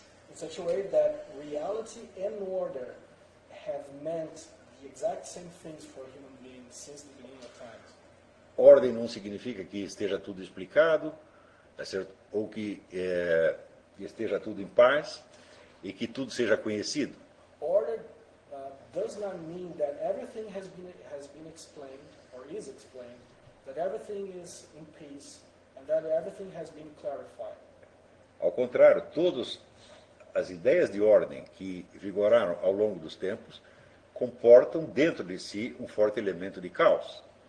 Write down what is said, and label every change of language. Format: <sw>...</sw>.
<en>In such a way that reality and order have meant the exact same things for human beings since the beginning of time.</en> <pt>Ordem não significa que esteja tudo explicado, tá certo? Ou que esteja tudo em paz e que tudo seja conhecido.</pt> <en>Order does not mean that everything has been explained or is explained, that everything is in peace and that everything has been clarified.</en> <pt>Ao contrário, todas as ideias de ordem que vigoraram ao longo dos tempos comportam dentro de si forte elemento de caos.</pt>